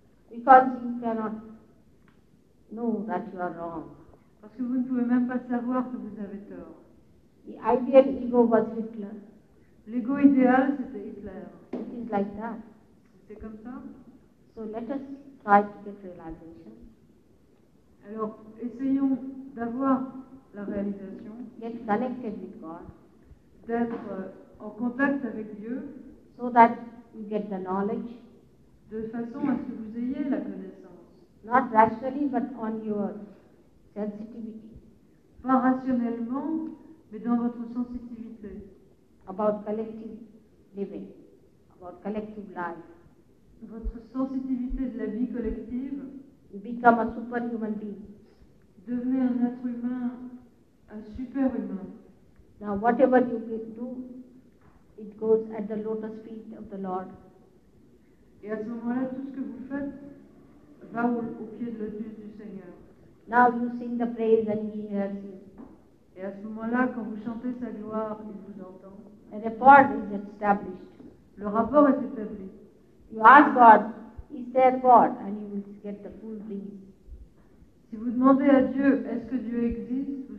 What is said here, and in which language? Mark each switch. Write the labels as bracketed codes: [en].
[en] Because you cannot know that you are wrong. [fr] Parce que vous ne pouvez même pas savoir que vous avez tort. [en] The ideal ego was Hitler. [fr] L'ego idéal, c'était Hitler. [en] It is like that. [fr] C'est comme ça. [en] So let us try to get realization. [fr] Alors, essayons d'avoir la réalisation. [en] Get connected with God. [fr] D'être en contact avec Dieu. [en] So that you get the knowledge. [fr] De façon à ce que vous ayez la connaissance. [en] Not rationally, but on your sensitivity. [fr] Pas rationnellement, mais dans votre sensitivité. [en] About collective living. About collective life. [fr] Votre sensitivité de la vie collective. [en] You become a superhuman being. [fr] Devenez un être humain. Un super humain. [en] Now whatever you can do, it goes at the lotus feet of the Lord. [fr] Et à ce moment-là, tout ce que vous faites va au pied de lotus du Seigneur. [en] Now you sing the praise and he hears you. [fr] Et à ce moment-là, quand vous chantez sa gloire, il vous entend. [en] A rapport is established. [fr] Le rapport est établi. [en] You ask God, is there God? And you will get the full thing. [fr] Si vous demandez à Dieu, est-ce que Dieu existe?